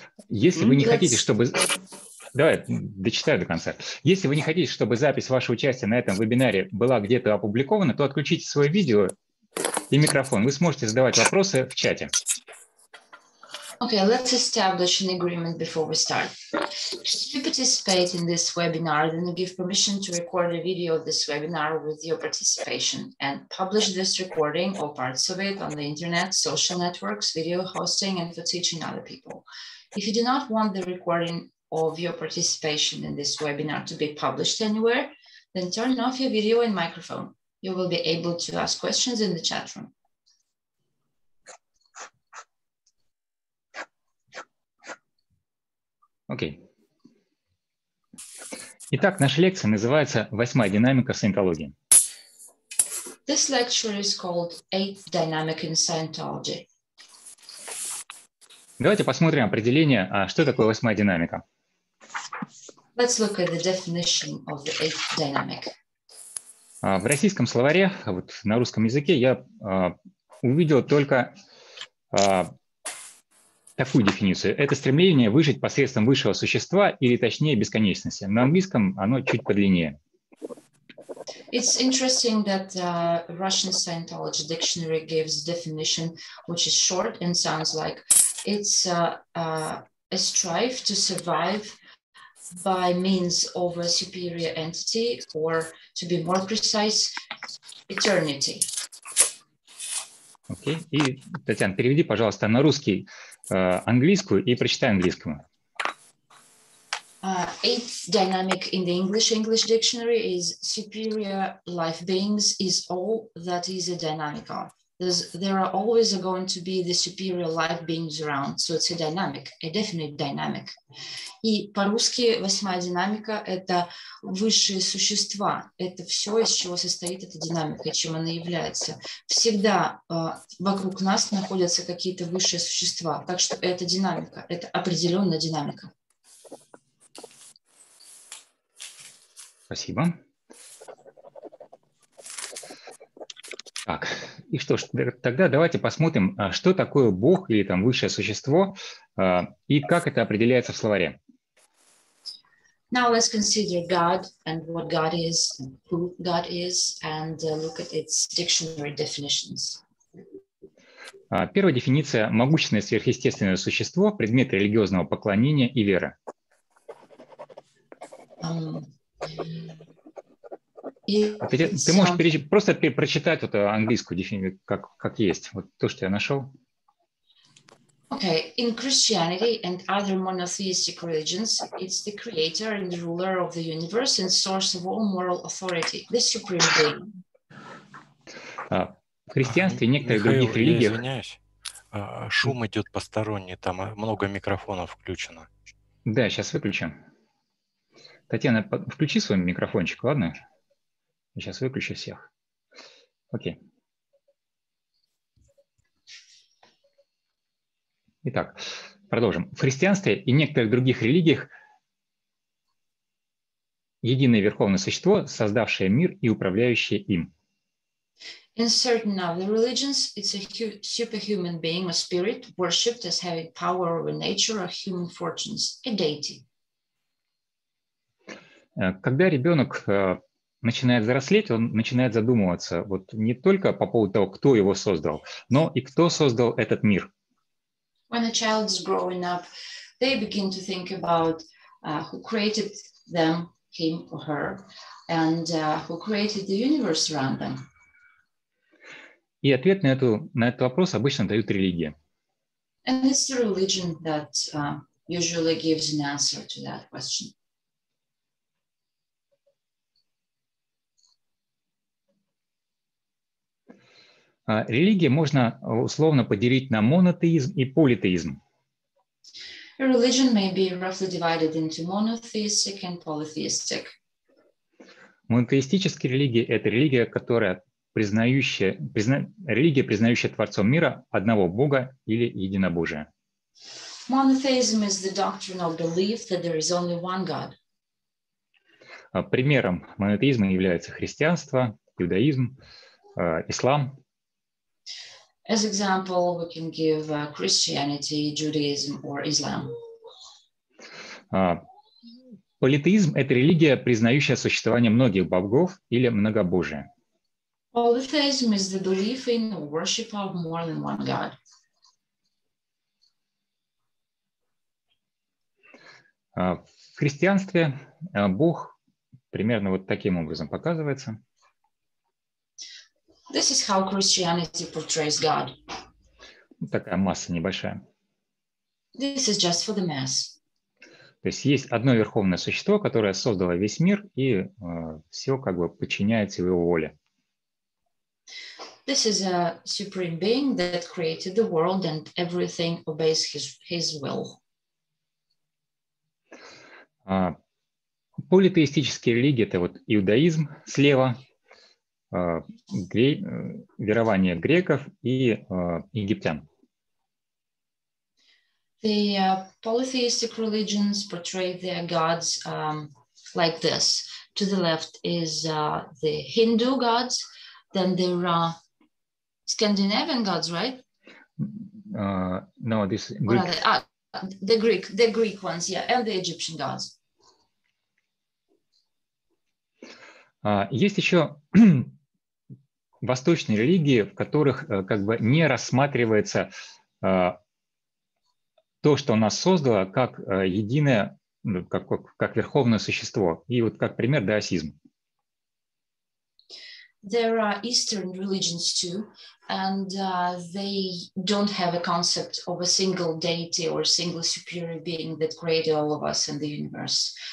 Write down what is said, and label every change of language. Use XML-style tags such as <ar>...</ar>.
<ru>Если вы не хотите, чтобы... Давай, дочитаю до конца. Если вы не хотите, чтобы запись вашего участия на этом вебинаре была где-то опубликована, то отключите свое видео и микрофон. Вы сможете задавать вопросы в чате.</ru> <en>Okay, let's establish an agreement before we start. Should you participate in this webinar, then you give permission to record a video of this webinar with your participation and publish this recording or parts of it on the internet, social networks, video hosting, and for teaching other people. If you do not want the recording of your participation in this webinar to be published anywhere, then turn off your video and microphone. You will be able to ask questions in the chat room.</en> <ru>Окей. Итак, наша лекция называется «Восьмая динамика саентологии».</ru> <en>This lecture is called Eighth Dynamic in Scientology.</en> <ru>Давайте посмотрим определение, что такое восьмая динамика.</ru> <en>Let's look at the definition of the eighth dynamic.</en> <ru>В российском словаре, вот на русском языке, я увидел только... такую дефиницию. Это стремление выжить посредством высшего существа или, точнее, бесконечности. На английском оно чуть подлиннее.</ru> <en>It's interesting that Russian Scientology dictionary gives definition, which is short and sounds like it's a strive to survive by means of a superior entity, or to be more precise, eternity.</en> <ru>Окей. И, Татьяна, переведи, пожалуйста, на русский английскую и прочитай английскому.</ru> <en>Eighth dynamic in the English dictionary is superior life beings is all that is a dynamic of. There are always going to be the superior life beings around, so it's a dynamic, a definite dynamic.</en> <ru>И по-русски восьмая динамика – это высшие существа, это все, из чего состоит эта динамика, чем она является. Всегда вокруг нас находятся какие-то высшие существа, так что это динамика, это определенная динамика. Спасибо. Так, и что ж, тогда давайте посмотрим, что такое Бог или там высшее существо, и как это определяется в словаре.</ru> <en>Now let's consider God and what God is, who God is, and look at its dictionary definitions.</en> <ru>Первая дефиниция – могущественное сверхъестественное существо, предмет религиозного поклонения и веры. Ты можешь просто прочитать вот английскую дефиницию, как есть, вот то, что я нашел.</ru> <en>Okay, in Christianity and other monotheistic religions, it's the creator and ruler of the universe and source of all moral authority, the supreme being.</en> <ru>В христианстве и некоторых других религиях... Михаил, я извиняюсь, шум идет посторонний, там много микрофонов включено. Да, сейчас выключу. Татьяна, включи свой микрофончик, ладно? Сейчас выключу всех. Окей. Итак, продолжим. В христианстве и некоторых других религиях единое верховное существо, создавшее мир и управляющее им.</ru> <en>In certain other religions, it's a superhuman being, a spirit, worshipped as having power over nature or human fortunes, a deity.</en> <ru>Когда ребенок... начинает взрослеть, он начинает задумываться вот не только по поводу того, кто его создал, но и кто создал этот мир.</ru> <en>When a child is growing up, they begin to think about who created them, him or her, and who created the universe around them.</en> <ru>И ответ на этот вопрос обычно дают религия.</ru> <en>And it's the religion that usually gives an answer to that question.</en> <ru>Религия можно условно поделить на монотеизм и политеизм.</ru> <en>A religion may be roughly divided into monotheistic and polytheistic.</en> <ru>Монотеистические религии – это религия, которая религия, признающая Творцом мира одного Бога или Единобожия.</ru> <en>Monotheism is the doctrinal belief that there is only one God.</en> <ru>Примером монотеизма является христианство, иудаизм, ислам.</ru> <en>As example, we can give Christianity, Judaism, or Islam.</en> <ru>Политеизм – это религия, признающая существование многих богов или многобожия.</ru> <en>Polytheism is the belief in worship of more than one God.</en> <ru>В христианстве Бог примерно вот таким образом показывается.</ru> <en>This is how Christianity portrays God.</en> <ru>Такая масса небольшая.</ru> <en>This is just for the mass.</en> <ru>То есть есть одно верховное существо, которое создало весь мир и все как бы подчиняется его воле.</ru> <en>This is a supreme being that created the world and everything obeys his will.</en> <ru>Политеистические религии – это вот иудаизм слева, верование греков и египтян.</ru> <en>The polytheistic religions portray their gods like this. To the left is the Hindu gods, then there are Scandinavian gods, right? No, this Greek. What are they? The Greek ones, yeah, and the Egyptian gods.</en> <ru>Есть еще восточные религии, в которых как бы не рассматривается то, что нас создало, как единое, как верховное существо. И вот как пример даосизм.</ru> <en>There are Eastern religions too, and they don't have a concept of a single deity or single superior being that created all of us in the universe.</en>